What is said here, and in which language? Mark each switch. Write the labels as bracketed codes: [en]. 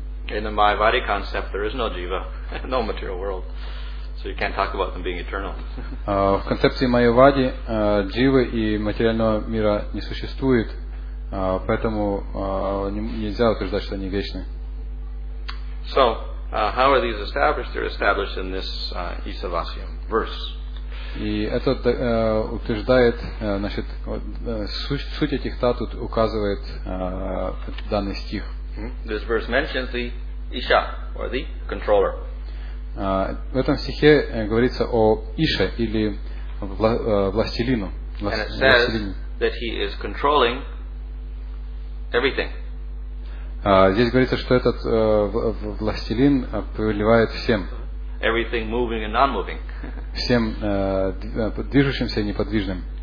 [en] In the Mayavadi concept, there is no jiva, no material world, so you can't talk about them being eternal. [ru] В концепции Майявади дживы и материального мира не существует, поэтому нельзя утверждать, что они вечны. [en] So, how are these established? They're established in this Isavasyam verse. [ru] И это утверждает, значит, суть этих тат тут указывает данный стих. [en] This verse mentions the Isha or the controller. [ru] В этом стихе говорится о Ише или властелину. [en] And it says that he is controlling everything. [ru] Здесь говорится, что этот властелин повелевает всем. [en] Everything moving and non-moving. [ru] Всем движущимся и неподвижным.